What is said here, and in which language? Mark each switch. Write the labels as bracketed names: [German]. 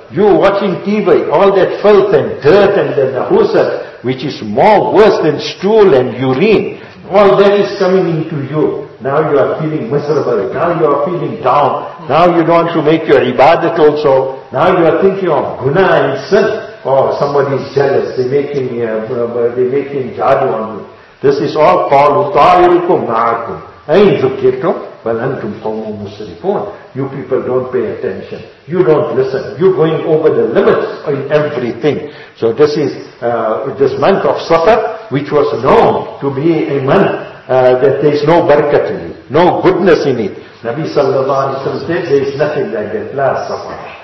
[English] You watching TV, all that filth and dirt and the nahusat, which is more worse than stool and urine, all that is coming into you. Now you are feeling miserable, now you are feeling down, now you don't want to make your ibadat also. Now you are thinking of guna and sin. Oh, somebody is jealous, they're making jadu on you. This is all [Arabic] قَالُوا طَائِرُكُمْ مَعَكُمْ أَيْنْ زُكِّرْتُمْ بَلْ أَنْتُمْ قَوْمٌ مُسْرِفُونَ. [English] You people don't pay attention. You don't listen. You're going over the limits in everything. So this is this month of Safar, which was known to be a month that there is no barakah in it, no goodness in it. Nabi sallallahu alayhi wa sallam said, there is nothing like that. La Safar.